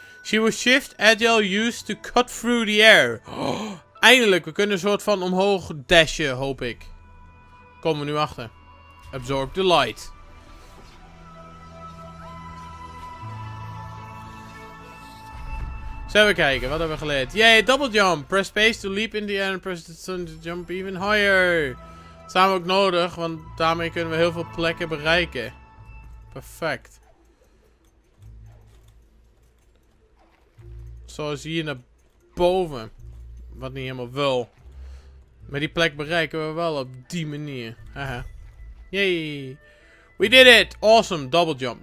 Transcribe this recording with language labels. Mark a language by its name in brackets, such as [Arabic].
[English] She was shift agile used to cut through the air. [Dutch] Oh, eindelijk. We kunnen een soort van omhoog dashen, hoop ik. Komen we nu achter. [English] Absorb the light. [Dutch] Zullen we kijken. Wat hebben we geleerd? Yay, double jump. [English] Press space to leap in the air and press the sun to jump even higher. [Dutch] Samen ook nodig, want daarmee kunnen we heel veel plekken bereiken. Perfect. Zoals hier naar boven. Wat niet helemaal wil. Maar die plek bereiken we wel op die manier. Haha. Yay. [English] We did it. Awesome. Double jump.